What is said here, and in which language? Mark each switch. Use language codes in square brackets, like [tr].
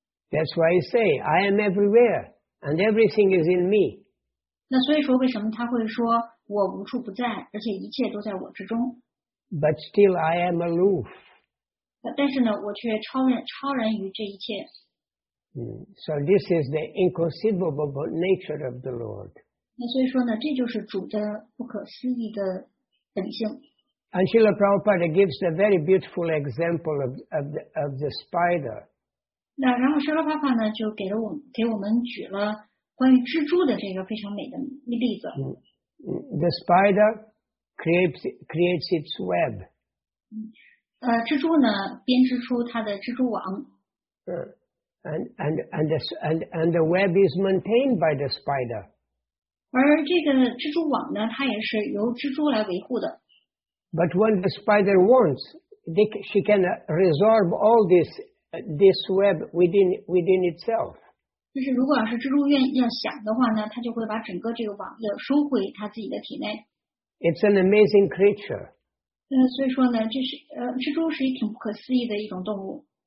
[en] That's why he say, I am everywhere, and everything is in me. [zh] 那所以说为什么他会说我无处不在，而且一切都在我之中。 [en] But still I am aloof. [zh] 但是呢，我却超然于这一切。 [en] So this is the inconceivable nature of the Lord. [zh] 那所以说呢，这就是主的不可思议的本性。 [en] And Srila Prabhupada gives a very beautiful example of the spider. [zh] 那然后Srila Prabhupada呢，就给我们举了关于蜘蛛的这个非常美的例子。 [en] The spider creates its web. [zh] 蜘蛛呢，编织出它的蜘蛛网。 [en] And the web is maintained by the spider. [zh] 而这个蜘蛛网呢，它也是由蜘蛛来维护的。 [en] But when the spider wants, she can resolve all this web within itself. [zh] 就是如果要是蜘蛛要想的话呢，它就会把整个这个网子收回它自己的体内。 [en] It's an amazing creature. [zh] 所以说呢，蜘蛛是一挺不可思议的一种动物。